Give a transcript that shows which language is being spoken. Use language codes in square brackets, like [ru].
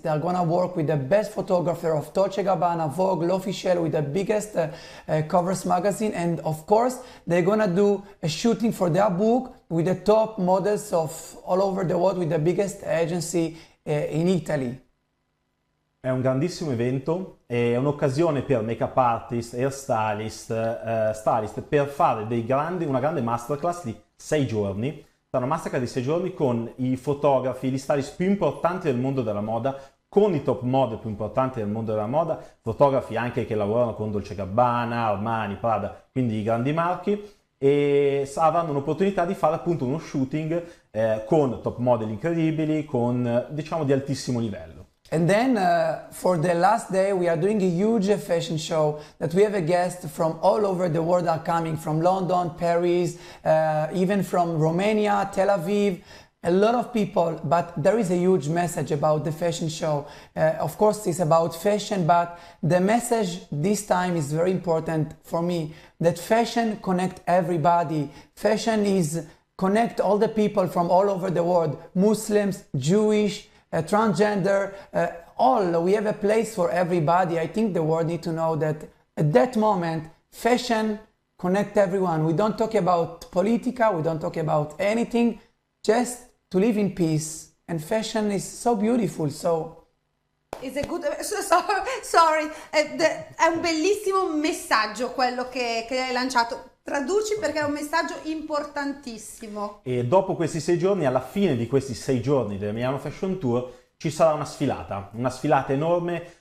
[en] They're gonna work with the best photographer of Dolce & Gabbana, Vogue, L'Officiel, with the biggest covers magazine, and of course they're gonna do a shooting for their book with the top models of all over the world, with the biggest agency in Italy. [it] È un grandissimo evento, è un'occasione per makeup artist, hairstylist, stylist, per fare una grande masterclass di 6 giorni. Sarà una masterclass di 6 giorni con i fotografi, gli stylist più importanti del mondo della moda, con i top model più importanti del mondo della moda, fotografi anche che lavorano con Dolce & Gabbana, Armani, Prada, quindi i grandi marchi, e avranno un'opportunità di fare appunto uno shooting con top model incredibili, con diciamo di altissimo livello. [en] And then for the last day, we are doing a huge fashion show that we have a guest from all over the world are coming, from London, Paris, even from Romania, Tel Aviv, a lot of people. But there is a huge message about the fashion show. Of course, it's about fashion, but the message this time is very important for me, that fashion connects everybody. Fashion is connect all the people from all over the world, Muslims, Jewish, transgender, all, we have a place for everybody. I think the world need to know that at that moment, fashion connect everyone. We don't talk about politica, we don't talk about anything, just to live in peace. And fashion is so beautiful, so... It's a good... Sorry, [it] è un bellissimo messaggio quello che hai lanciato. Traduci, perché è un messaggio importantissimo. E dopo questi 6 giorni, alla fine di questi 6 giorni della Milano Fashion Tour, ci sarà una sfilata enorme.